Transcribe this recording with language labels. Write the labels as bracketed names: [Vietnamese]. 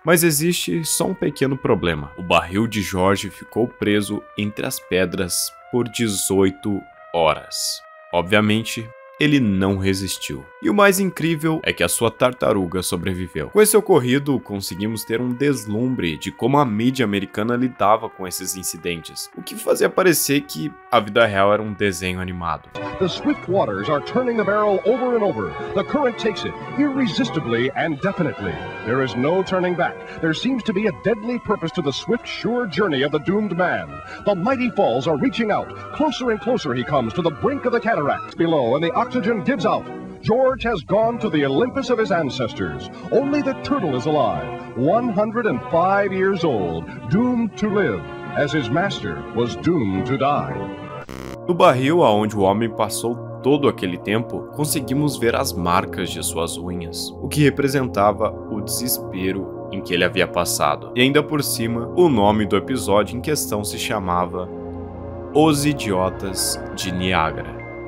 [Portuguese] Mas existe só um pequeno problema. O barril de George ficou preso entre as pedras por 18 horas. Obviamente, ele não resistiu. E o mais incrível é que a sua tartaruga sobreviveu. Com esse ocorrido, conseguimos ter um deslumbre de como a mídia americana lidava com esses incidentes, o que fazia parecer que a vida real era um desenho animado. [English] The swift waters are turning the barrel over and over. The current takes it irresistibly and definitely. There is no turning back. There seems to be a deadly purpose to the swift, sure journey of the doomed man. The mighty falls are reaching out. Closer and closer he comes to the brink of the cataract below, and the oxygen gives out. George has gone to the Olympus of his ancestors. Only the turtle is alive, 105 years old, doomed to live, as his master was doomed to die. [Portuguese] No barril aonde o homem passou todo aquele tempo, conseguimos ver as marcas de suas unhas, o que representava o desespero em que ele havia passado. E ainda por cima, o nome do episódio em questão se chamava Os Idiotas de Niágara.